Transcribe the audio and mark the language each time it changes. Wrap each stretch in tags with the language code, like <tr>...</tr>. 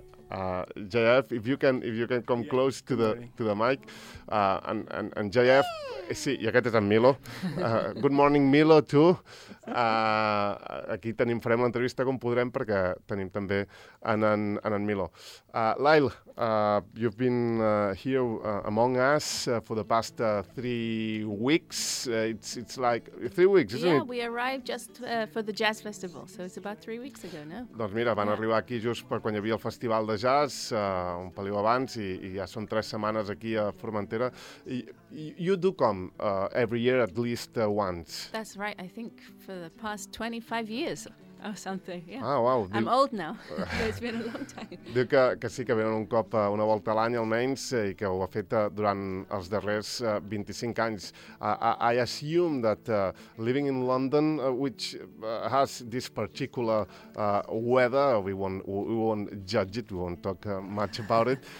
<en>JF, if you can come close to the mic.</en> <ca>And JF, sí, i aquest és en Milo.</ca> <en>Good morning, Milo, too.</en> <ca>Aquí farem l'entrevista com podrem, perquè tenim també en Milo.</ca> <en>Lyle, you've been here among us for the past 3 weeks. It's like 3 weeks, isn't yeah, it? Yeah, we arrived just for the jazz festival, so it's about 3 weeks ago, no?</en> <ca>Doncs mira, van arribar aquí just per quan hi havia el festival de jazz, un pel·liu abans, i ja són 3 setmanes aquí a Formentera.</ca> <en>You do come every year at least once. That's right, I think for the past 25 years or something. Yeah. Ah, wow. I'm old now, so it's been a long time.</en> <ca>Diu que sí, que venen un cop, una volta a l'any almenys, i que ho ha fet durant els darrers 25 anys.</ca> <en>I assume that living in London, which has this particular weather, we won't judge it, we won't talk much about it.</en>